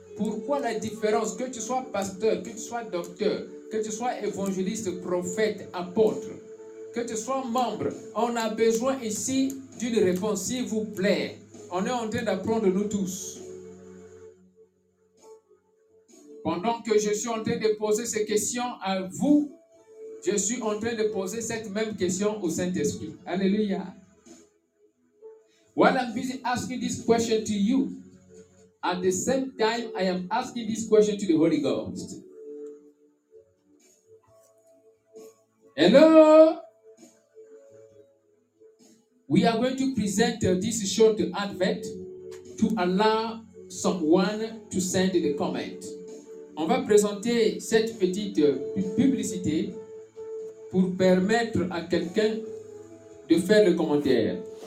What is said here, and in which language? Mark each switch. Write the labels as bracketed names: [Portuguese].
[French] Pourquoi la différence, que tu sois pasteur, que tu sois docteur, que tu sois évangéliste, prophète, apôtre, que tu sois membre, on a besoin ici d'une réponse, s'il vous plaît. On est en train d'apprendre nous tous. Pendant que je suis en train de poser ces questions à vous, je suis en train de poser cette même question au Saint-Esprit. Alléluia. [English] While I'm busy asking this question to you, at the same time, I am asking this question to the Holy Ghost. Hello? We are going to present this short advert to allow someone to send the comment. [French] On va présenter cette petite publicité pour permettre à quelqu'un de faire le commentaire.